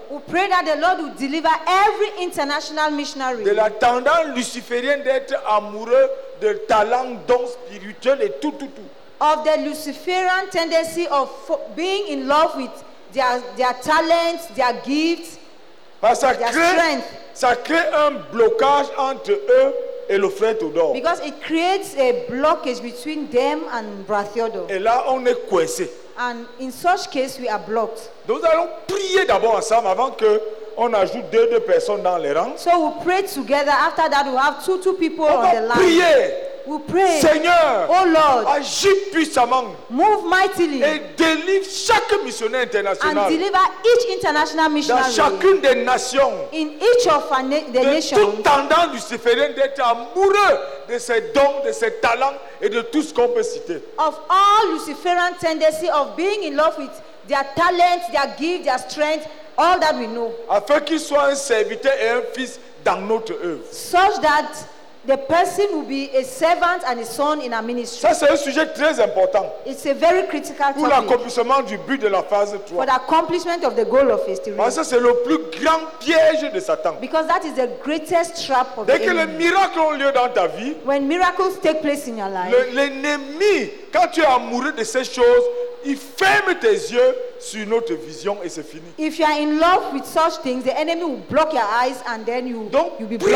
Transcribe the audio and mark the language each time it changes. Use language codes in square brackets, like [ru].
[en] We pray that the Lord will deliver every international missionary. [fr] De la tendance luciférienne d'être amoureux de talents, dons spirituels et tout. [en] Of the Luciferian tendency of being in love with their talents, their gifts. [fr] Parce [en] their strength. [fr] Ça crée un blocage entre eux. Et le frère Théodore. [en] Because it creates a blockage between them and Brother Theodore. [fr] Et là, on est coincé. [en] And in such case, we are blocked. [fr] Donc, nous allons prier d'abord ensemble avant que on ajoute deux personnes dans les rangs. [en] So we pray together. After that, we have two people on the line. [fr] Prier. [en] We pray. [fr] Seigneur. [en] Oh Lord. [fr] Agis puissamment. [en] Move mightily. [fr] Et délivre chaque missionnaire international. [en] And deliver each international missionary. [fr] Dans chacune des nations. [en] In each of the nations. [fr] Toute tendance luciférienne d'être amoureux de ses dons, de ses talents et de tout ce qu'on peut citer. [en] Of all Luciferian tendency of being in love with their talents, their gifts, their strength, all that we know. [fr] Afin qu'il soit un serviteur et un fils dans notre œuvre. [en] Such that the person will be a servant and a son in our ministry. [fr] Ça, c'est un sujet très important. [en] It's a very critical [fr] pour l'accomplissement du but de la phase 3. [en] For the accomplishment of the goal of phase 3. [fr] Parce que c'est le plus grand piège de Satan. [en] Because that is the greatest trap of the enemy. [fr] Dès que les miracles ont lieu dans ta vie. [en] When miracles take place in your life. [fr] L'ennemi, quand tu es amoureux de ces choses, il ferme tes yeux sur notre vision et c'est fini. [en] If you are in love with such things, the enemy will block your eyes and then you'll be